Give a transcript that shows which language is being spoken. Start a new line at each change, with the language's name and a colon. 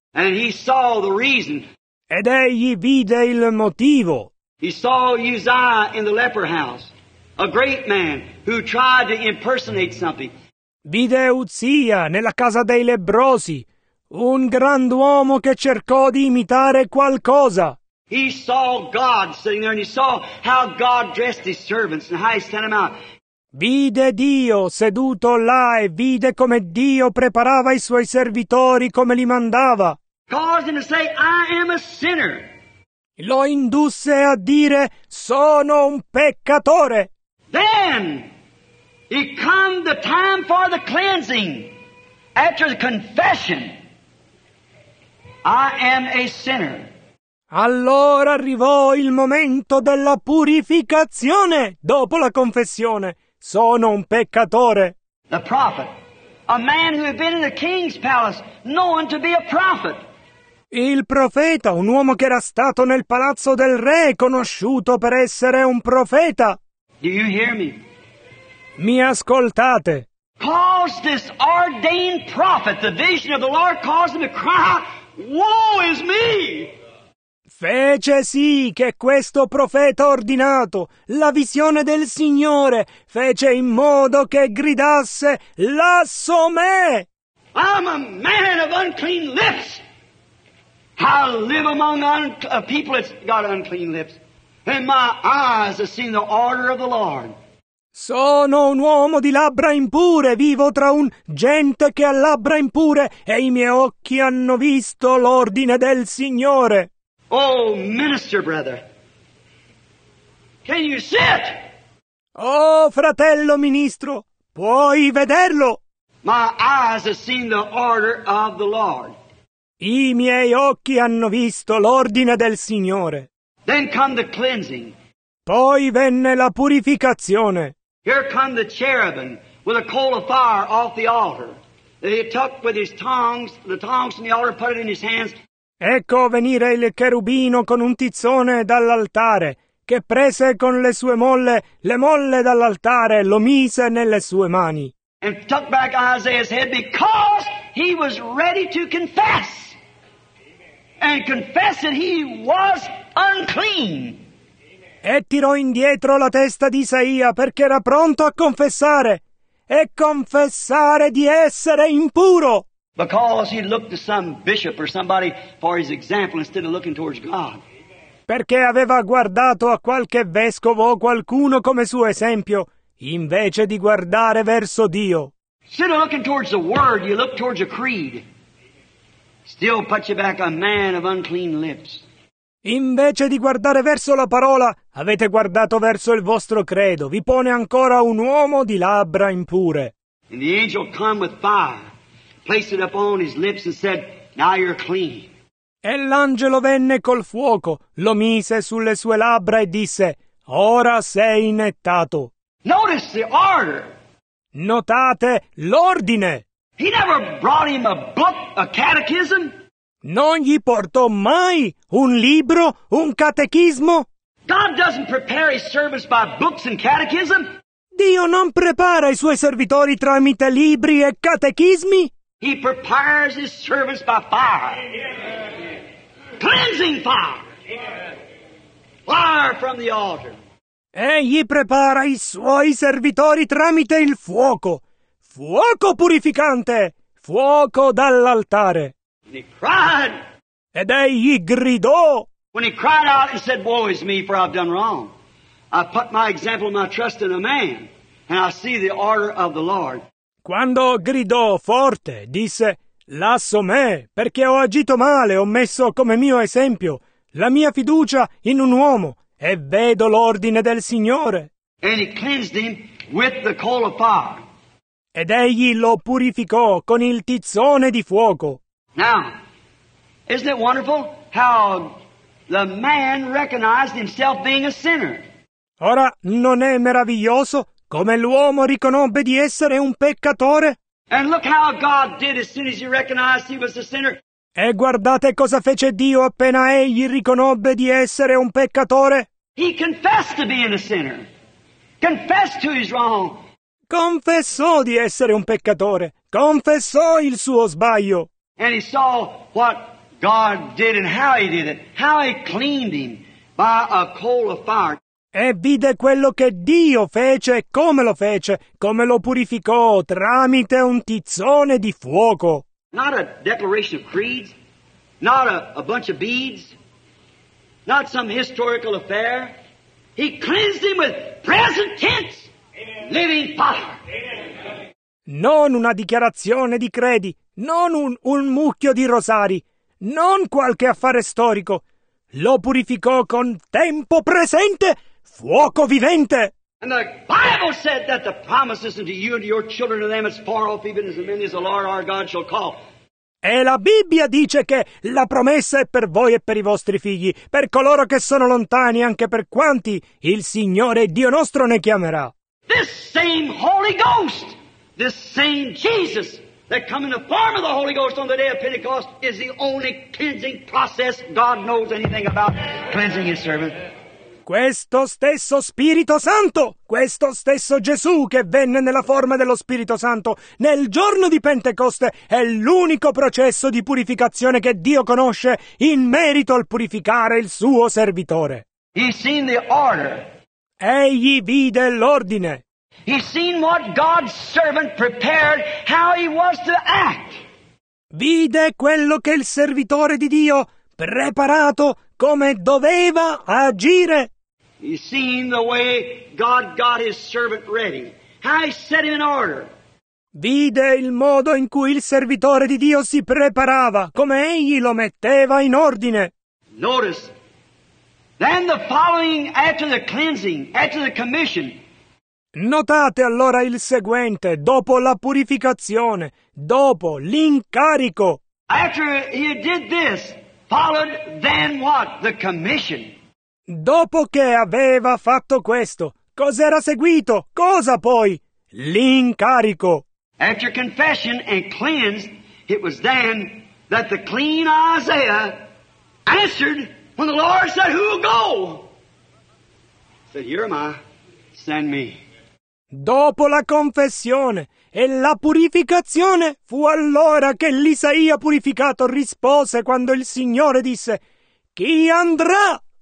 English: And he saw the reason.
Italian: Ed egli vide il motivo.
English: He saw Uzziah in the leper house, a great man who tried to impersonate something.
Italian: Vide Uzziah nella casa dei lebbrosi, un grand'uomo che cercò di imitare qualcosa.
English: He saw God sitting there and he saw how God dressed his servants and how he sent them out.
Italian: Vide Dio seduto là e vide come Dio preparava i suoi servitori, come li mandava.
English: Caused him to say, I am a sinner.
Italian: Lo indusse a dire, sono un peccatore.
English: Then he come the time for the cleansing, after the confession, I am a sinner.
Italian: Allora arrivò il momento della purificazione, dopo la confessione, sono un peccatore.
English: The prophet, a man who had been in the king's palace, known to be a prophet.
Italian: Il profeta, un uomo che era stato nel palazzo del re, conosciuto per essere un profeta.
English: Do you hear me?
Italian: Mi ascoltate?
English: Caused this ordained prophet, the vision of the Lord caused him to cry, woe is me!
Italian: Fece sì che questo profeta ordinato, la visione del Signore, fece in modo che gridasse, lasso me!
English: I'm a man of unclean lips! I live among a people that's got unclean lips, and my eyes have seen the order of the Lord.
Italian: Sono un uomo di labbra impure, vivo tra un gente che ha labbra impure, e i miei occhi hanno visto l'ordine del Signore.
English: Oh, minister brother, can you see it?
Italian: Oh, fratello ministro, puoi vederlo?
English: My eyes have seen the order of the Lord.
Italian: I miei occhi hanno visto l'ordine del Signore.
English: Then come the cleansing.
Italian: Poi venne la purificazione.
English: Here come the cherubim with a coal of fire off the altar. He took with his tongs, the tongs from the altar, put it in his hands.
Italian: Ecco venire il cherubino con un tizzone dall'altare, che prese con le sue molle, le molle dall'altare, lo mise nelle sue mani.
English: And took back Isaiah's head because he was ready to confess. And confess that he was unclean.
Italian: E tirò indietro la testa di Isaia perché era pronto a confessare. E confessare di essere impuro.
English: Because he looked to some bishop or somebody for his example instead of looking towards God.
Italian: Perché aveva guardato a qualche vescovo o qualcuno come suo esempio, invece di guardare verso Dio.
English: Instead of looking towards the word, you look towards a creed. Still puts you back a man of unclean lips.
Italian: Invece di guardare verso la parola, avete guardato verso il vostro credo. Vi pone ancora un uomo di labbra impure.
English: And the angel come with fire, placed it upon his lips and said, now you're clean.
Italian: E l'angelo venne col fuoco, lo mise sulle sue labbra e disse, ora sei nettato.
English: Notice the order.
Italian: Notate l'ordine.
English: He never brought him a book, a catechism.
Italian: Non gli portò mai un libro, un catechismo.
English: God doesn't prepare his servants by books and catechism.
Italian: Dio non prepara i suoi servitori tramite libri e catechismi.
English: He prepares his servants by fire. Amen. Cleansing fire. Amen. Fire from the altar.
Italian: Egli prepara i suoi servitori tramite il fuoco. Fuoco purificante. Fuoco dall'altare.
English: And he cried.
Italian: Ed egli gridò.
English: When he cried out, he said, woe is me, for I've done wrong. I put my example, my trust in a man, and I see the order of the Lord.
Italian: Quando gridò forte, disse, lasso me, perché ho agito male, ho messo come mio esempio la mia fiducia in un uomo, e vedo l'ordine del Signore.
English: And he cleansed him with the coal of fire.
Italian: Ed egli lo purificò con il tizzone di fuoco.
English: Now, isn't it wonderful how the man recognized himself being a sinner?
Italian: Ora, non è meraviglioso come l'uomo riconobbe di essere un peccatore?
English: And look how God did as soon as he recognized he was a sinner.
Italian: E guardate cosa fece Dio appena egli riconobbe di essere un peccatore.
English: He confessed to being a sinner. Confessed to his wrong.
Italian: Confessò di essere un peccatore. Confessò il suo sbaglio.
English: And he saw what God did and how he did it. How he cleaned him by a coal of fire.
Italian: E vide quello che Dio fece e come lo fece, come lo purificò tramite un tizzone di fuoco.
English: Not a declaration of creeds, not a bunch of beads, not some historical affair. He cleansed him with present tense, living fire.
Italian: Non una dichiarazione di credi, non un mucchio di rosari, non qualche affare storico. Lo purificò con tempo presente, fuoco vivente.
English: And the Bible said that the promises unto you and to your children and them as far off even as the many as the Lord our God shall call.
Italian: E la Bibbia dice che la promessa è per voi e per i vostri figli, per coloro che sono lontani, anche per quanti il Signore Dio nostro ne chiamerà.
English: This same Holy Ghost, this same Jesus that come in the form of the Holy Ghost on the day of Pentecost is the only cleansing process God knows anything about cleansing his servant.
Italian: Questo stesso Spirito Santo, questo stesso Gesù che venne nella forma dello Spirito Santo nel giorno di Pentecoste è l'unico processo di purificazione che Dio conosce in merito al purificare il suo servitore.
English: He's seen the order.
Italian: Egli vide l'ordine.
English: He seen what God's servant prepared, how he was to act.
Italian: Vide quello che il servitore di Dio preparato come doveva agire.
English: He seen the way God got his servant ready, how he set him in order.
Italian: Vide il modo in cui il servitore di Dio si preparava, come egli lo metteva in ordine.
English: Notice, then the following after the cleansing, after the commission.
Italian: Notate allora il seguente, dopo la purificazione, dopo l'incarico.
English: After he did this, followed then what? The commission.
Italian: Dopo che aveva fatto questo, cos'era seguito? Cosa poi? L'incarico.
English: After confession and cleansed, it was then that the clean Isaiah answered when the Lord said, who will go? He said, here am I, send me.
Italian: Dopo la confessione e la purificazione, fu allora che l'Isaia purificato rispose quando il Signore disse, chi andrà?